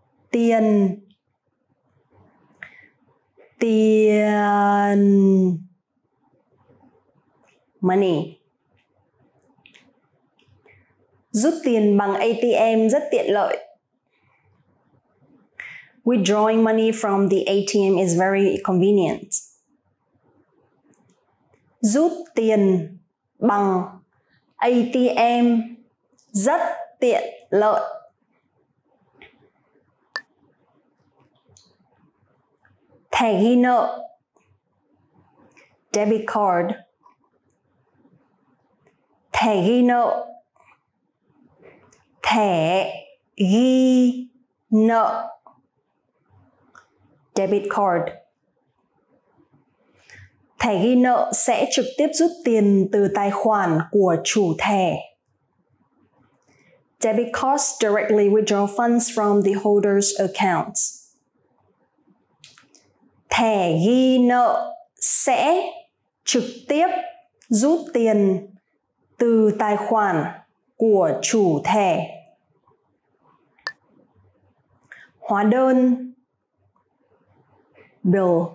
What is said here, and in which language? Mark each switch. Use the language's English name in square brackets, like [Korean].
[Vietnamese] Tiền. Tiền. [English] Money. [Vietnamese] Rút tiền bằng ATM rất tiện lợi. [English] Withdrawing money from the ATM is very convenient. [Vietnamese] Rút tiền bằng ATM rất tiện lợi. Thẻ ghi nợ. [English] Debit card. [Vietnamese] Thẻ ghi nợ. Thẻ ghi nợ. [English] Debit card. [Vietnamese] Thẻ ghi nợ sẽ trực tiếp rút tiền từ tài khoản của chủ thẻ. [English] Debit cards directly withdraw funds from the holder's accounts. [Vietnamese] Thẻ ghi nợ sẽ trực tiếp rút tiền từ tài khoản của chủ thẻ. Hóa đơn. [English] Bill.